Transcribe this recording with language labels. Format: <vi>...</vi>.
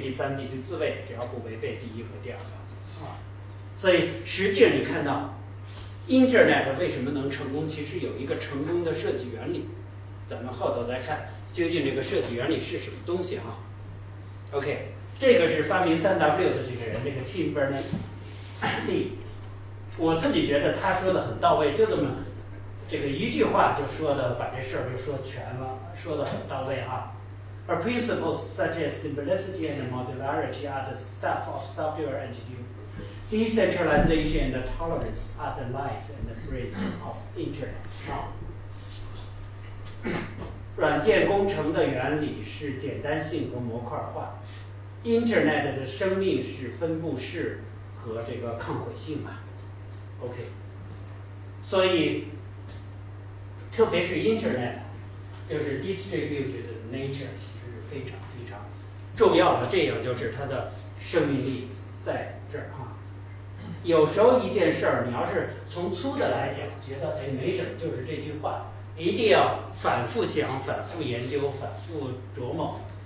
<zh>第三，必须自卫，只要不违背第一和第二法则。所以实际上你看到 Internet 为什么能成功，其实有一个成功的设计原理，咱们后头再看究竟这个设计原理是什么东西哈。 OK， 这个是发明 3W 的这个人，这个 Tim Berners-Lee， 我自己觉得他说的很到位，就这么这个一句话就说的把这事儿就说全了，说的很到位啊。</zh> <en>Our principles such as simplicity and modularity are the stuff of software engineering. Decentralization and tolerance are the life and the grace of internet.</en> <zh>软件工程的原理是简单性和模块化。 Internet 的生命是分布式和这个抗毁性啊。 OK， 所以特别是 internet， 就是</zh> <en>distributed nature。</en> <zh>非常非常重要的，这也就是它的生命力在这儿啊。有时候一件事儿，你要是从粗的来讲，觉得哎没准就是这句话，一定要反复想、反复研究、反复琢磨。</zh>